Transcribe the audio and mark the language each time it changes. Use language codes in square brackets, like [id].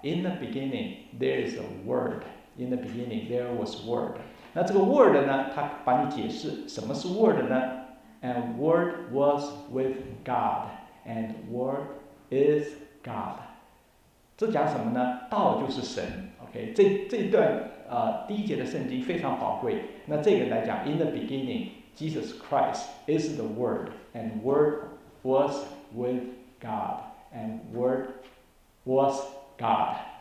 [en] In the beginning there is a word， In the beginning there was word。 [zh] 那这个 word 呢，他把你解释什么是 word 呢？ [en] And word was with God and word is God。 [zh] 这讲什么呢？道就是神。 OK， 这一段第一节的圣经非常宝贵。那这个来讲， [en] In the beginning Jesus Christ is the word and word was with God and word was God。